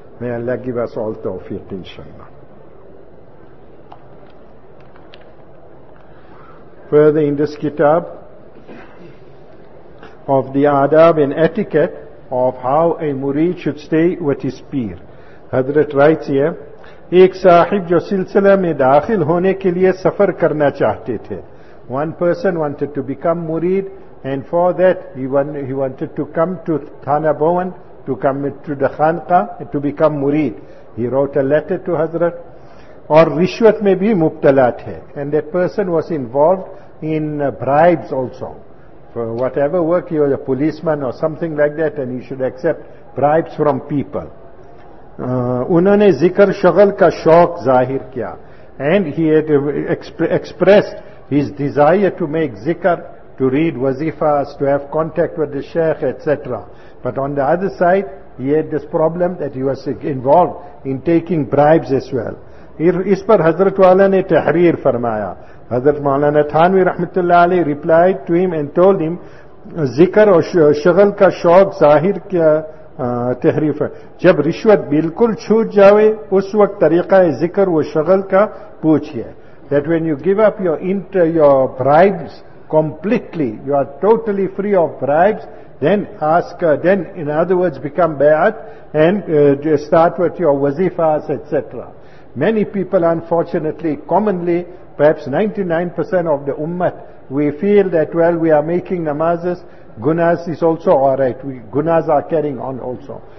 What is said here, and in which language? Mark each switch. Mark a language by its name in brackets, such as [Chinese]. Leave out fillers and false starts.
[English] May Allah give us all tawfiq, inshallah. Further in this kitab of the adab and etiquette of how a murid should stay with his peer. Hadrat writes here, [Urdu] ایک صاحب جو سلسلہ میں داخل ہونے کے لیے سفر کرنا چاہتے تھے. [English] One person wanted to become murid, and for that he wanted to come to Thana Bhawan, to come to the Khanqa, to become murid. He wrote a letter to Hazrat. [Urdu] اور رشوت میں بھی مبتلا تھے. [English] And that person was involved in bribes also. For whatever work, he was a policeman or something like that, and he should accept bribes from people. [Urdu] انہوں نے ذکر شغل کا شوق ظاہر کیا. [English] And he had expressed his desire to make zikr, to read wazifas, to have contact with the sheikh, etc. But on the other side, he had this problem that he was involved in taking bribes as well. [Urdu] اس پر حضرت والا نے تحریر فرمایا. حضرت مولانا تھانوی رحمت اللہ علیہ [English] replied to him and told him, [Urdu] ذکر اور شغل کا شوق ظاہر کیا تحریف ہے. جب رشوت بالکل چھوٹ جاوے اس وقت طریقہ ذکر و شغل کا پوچھئے. [English] That when you give up your bribes completely, you are totally free of bribes, then ask, then in other words become bayat and start with your wazifas, etc. Many people, unfortunately, commonly, perhaps 99% of the ummah, we feel that, well, we are making namazes, gunas is also alright, gunas are carrying on also.